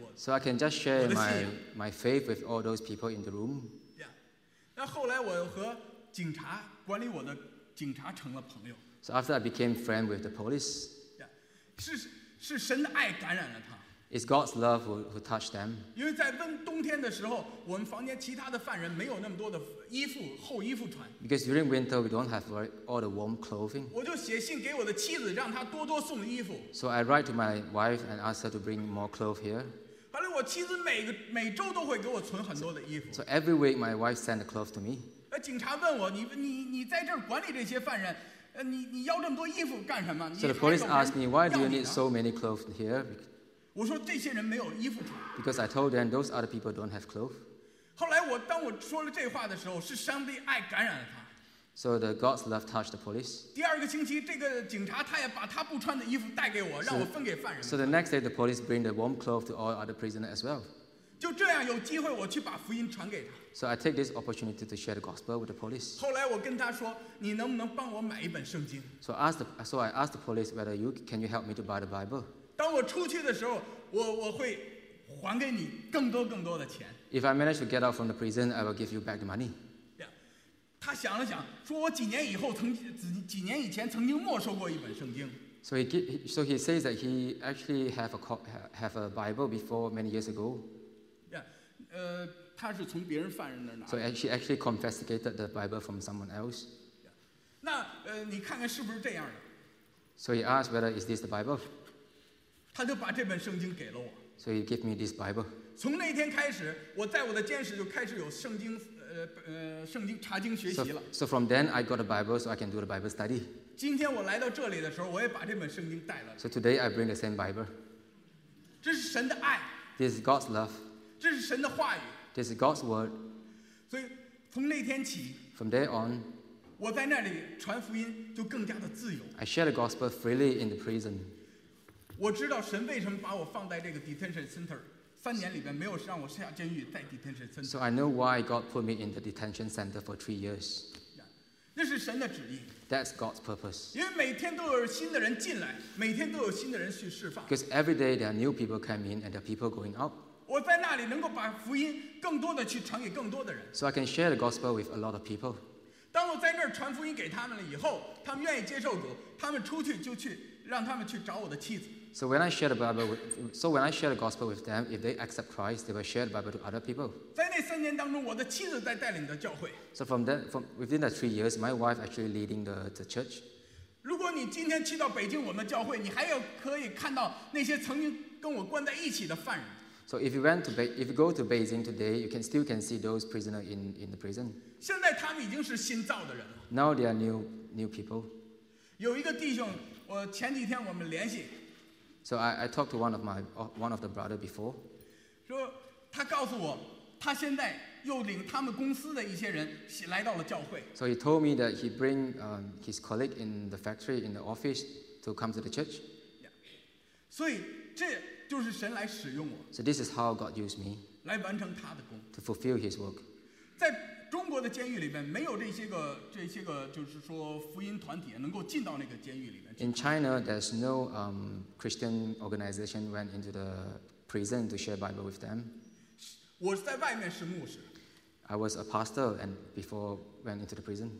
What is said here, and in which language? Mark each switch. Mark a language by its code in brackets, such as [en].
[en] So I can just share my faith with all those people in the room. Yeah. [zh] 那后来我和警察管理我的警察成了朋友。 [en] So after I became friend with the police, yeah, [zh] 是神的爱感染了他。 [en] It's God's love who touched them. [zh] 因为在冬天的时候，我们房间其他的犯人没有那么多的衣服厚衣服穿。 [en] Because during winter we don't have all the warm clothing. [zh] 我就写信给我的妻子，让她多多送衣服。 [en] So I write to my wife and ask her to bring more clothes here. [zh] 后来我妻子每周都会给我存很多的衣服。 [en] So every week my wife sent the clothes to me. [zh] 警察问我，你在这儿管理这些犯人。你要这么多衣服干什么？ [en] So the police asked me, why do you need so many clothes here? [zh] 我说这些人没有衣服穿。 [en] Because I told them those other people don't have clothes. [zh] 后来当我说了这话的时候，是上帝爱感染了他。 [en] So the God's love touched the police. [zh] 第二个星期，这个警察他也把他不穿的衣服带给我，让我分给犯人。 [en] So the next day, the police bring the warm clothes to all other prisoners as well. [zh] 就这样，有机会我去把福音传给他。 [en] So I take this opportunity to share the gospel with the police. [zh] 后来我跟他说，你能不能帮我买一本圣经？ [en] So I asked the police whether can you help me to buy the Bible. [zh] 当我出去的时候，我会还给你更多更多的钱。 [en] If I manage to get out from the prison, I will give you back the money. Yeah. [zh] 他想了想，说我几年以前曾经没收过一本圣经。 [en] So he says that he actually have a Bible before many years ago. Yeah. [zh] 他是从别人犯人那儿拿的。 [en] So she actually confiscated the Bible from someone else. Yeah. [zh] 那你看看是不是这样的。 [en] So he asked whether is this the Bible. [zh] 他就把这本圣经给了我。 [en] So he gave me this Bible. [zh] 从那天开始，我在我的监室就开始有圣经查经学习了。 [en] So from then I got a Bible so I can do the Bible study. [zh] 今天我来到这里的时候，我也把这本圣经带了。 [en] So today I bring the same Bible. [zh] 这是神的爱。 [en] This is God's love. [zh] 这是神的话语。 [en] This is God's word. [zh] 所以从那天起， [en] from there on, [zh] 我在那里传福音就更加的自由。 [en] I share the gospel freely in the prison. [zh] 我知道神为什么把我放在这个 detention center， 三年里边没有让我下监狱，在 detention center。 [en] So I know why God put me in the detention center for 3 years. [zh] 那是神的旨意。 [en] That's God's purpose. [zh] 因为每天都有新的人进来，每天都有新的人去释放。 [en] Because every day there are new people come in and there are people going out. [zh] 我在那里能够把福音更多的去传给更多的人。 [en] So I can share the gospel with a lot of people. [zh] 当我在那儿传福音给他们了以后，他们愿意接受主，他们出去就去让他们去找我的妻子。 [en] So when I share the gospel with them, if they accept Christ, they will share the Bible to other people. [zh] 在那三年当中，我的妻子在带领着教会。 [en] So from within that 3 years, my wife actually leading the church. [zh] 如果你今天去到北京我们教会，你还有可以看到那些曾经跟我关在一起的犯人。 [en] So if you go to Beijing today, you can still see those prisoners in the prison. [zh] 现在他们已经是新造的人了。 [en] Now they are new people. [zh] 有一个弟兄，我前几天我们联系。 [en] So I talked to one of the brother before. [zh] 说他告诉我，他现在又领他们公司的一些人来到了教会。 [en] So he told me that he bring his colleague in the factory in the office to come to the church. Yeah. [zh] 所以这。就是神来使用我。 [en] So this is how God used me. [zh] 来完成他的工。 [en] To fulfill His work. [zh] 在中国的监狱里面，没有这些个，就是说福音团体能够进到那个监狱里面。 [en] In China, there's no Christian organization went into the prison to share Bible with them. [zh] 我在外面是牧师。 [en] I was a pastor and before went into the prison.